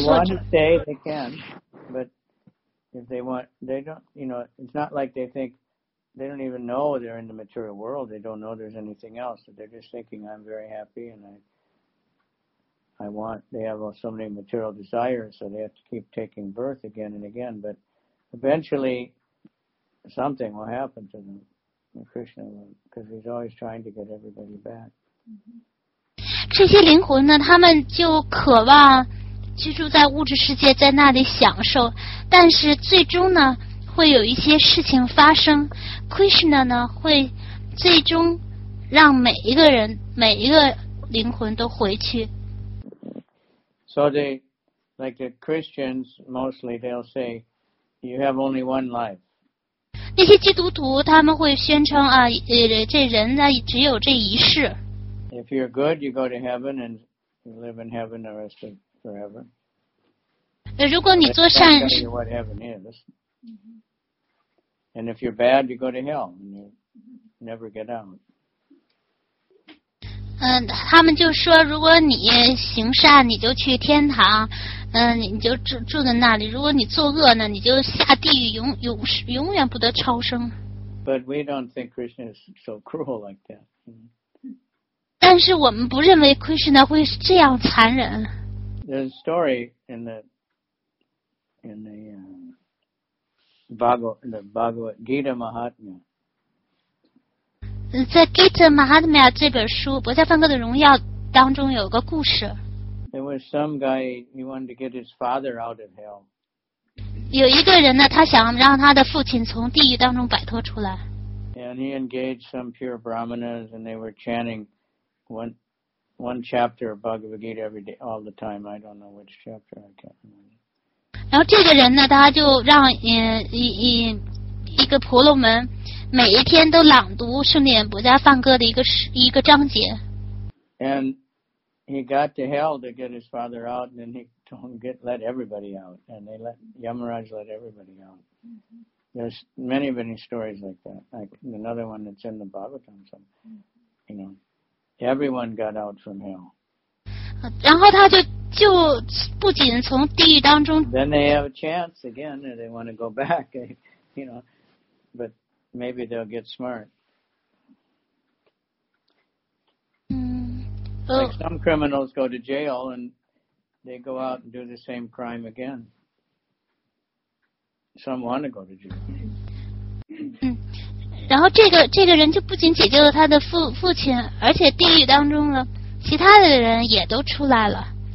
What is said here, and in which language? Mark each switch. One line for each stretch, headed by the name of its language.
English: they want to stay, they can, but if they want, they don't, you know, it's not like they think, they don't even know they're in the material world, they don't know there's anything else, they're just thinking, I'm very happy and I want, they have so many material desires, so they have to keep taking birth again and again, but eventually something will happen to them, and Krishna will, because he's always trying to get everybody back.
Chinese: 这些灵魂呢，他们就渴望居住在物质世界，在那里享受，但是最终呢，会有一些事情发生， Krishna 呢，会最终让每一个人，每一个灵魂都回去。
English: So they, like the Christians, mostly they'll say, you have only one life.
Chinese: 那些基督徒他们会宣称啊，这人呢只有这一世。
English: If you're good, you go to heaven and you live in heaven the rest of forever.
Chinese: 如果你做善事。
English: I'll tell you what heaven is. And if you're bad, you go to hell and you never get out.
Chinese: 他们就说，如果你行善，你就去天堂，你就住在那里；如果你作恶呢，你就下地狱，永远不得超生。
English: But we don't think Krishna is so cruel like that.
Chinese: 但是我们不认为 Krishna 会是这样残忍。
English: There's a story in the Bhagavad Gita Mahatmya.
Chinese: 在 Gita Mahatmya 这本书《博伽梵歌的荣耀》当中有个故事。
English: There was some guy, he wanted to get his father out of hell.
Chinese: 有一个人呢，他想让他的父亲从地狱当中摆脱出来。
English: And he engaged some pure brahmanas, and they were chanting one chapter of Bhagavad Gita every day, all the time. I don't know which chapter, I can't remember.
Chinese: 然后这个人呢，他就让一个婆罗门每一天都朗读圣典《博伽梵歌》的一个章节。
English: And he got to hell to get his father out, and then he let everybody out, and they let Yamaraj let everybody out. There's many stories like that. Like another one that's in the Bhagavatam, so, you know, everyone got out from hell.
Chinese: 然后他就不仅从地狱当中。
English: Then they have a chance again, and they want to go back, you know, but. Maybe they'll get smart. Like some criminals go to jail and they go out and do the same crime again. Some want to go to jail.
Chinese: 然后这个人就不仅解救了他的父亲，而且地狱当中了，其他的人也都出来了。